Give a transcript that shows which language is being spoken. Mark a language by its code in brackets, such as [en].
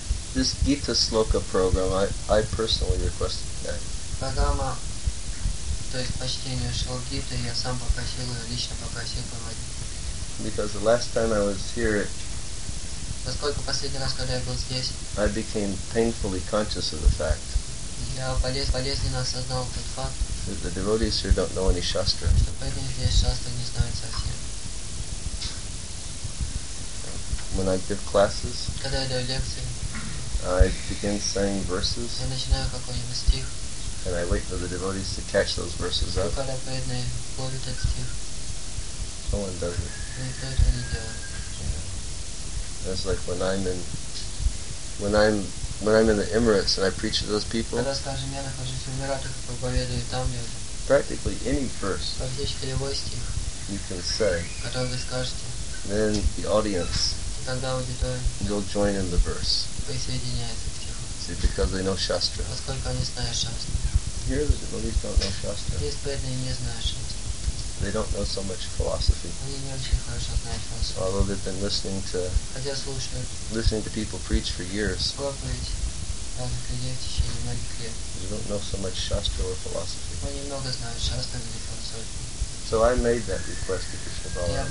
[en] This Gita Sloka program, I personally requested that. [ru] Программа, то есть почтение Шлокита, я сам попросил ее, лично попросил проводить. [en] Because the last time I was here, [ru] поскольку последний раз, когда я был здесь, [en] I became painfully conscious of the fact. [ru] Я болезненно осознал тот факт. [en] That the devotees here don't know any shastra. [ru] Что поэтому здесь шастры не знают совсем. [en] When I give classes, [ru] когда я даю лекции, [en] I begin saying verses. [ru] Я начинаю какой-нибудь стих. [en] And I wait for the devotees to catch those verses up. [ru] Когда преданные ловят этот стих. [en] No one does it. [ru] Никто этого не делает. [en] That's like when I'm in the Emirates and I preach to those people. [ru] Когда, скажем, я нахожусь в Эмиратах и проповедую там людям. [en] Practically any verse. [ru] Практически любой стих. [en] You can say. [ru] Который вы скажете. [en] Then the audience. [ru] Тогда аудитория. [en] Will join in the verse. [ru] Присоединяется. [en] See, because they know shastra. [ru] Поскольку они знают шастру. [en] Here the devotees don't know shastra. [ru] Здесь преданные не знают шастру. [en] They don't know so much philosophy. [ru] Они не очень хорошо знают философию. [en] Although they've been listening to people preach for years. They don't know so much shastra or philosophy. [ru] Они много знают шастру или философию. [en] So I made that request to Krishna Balaram.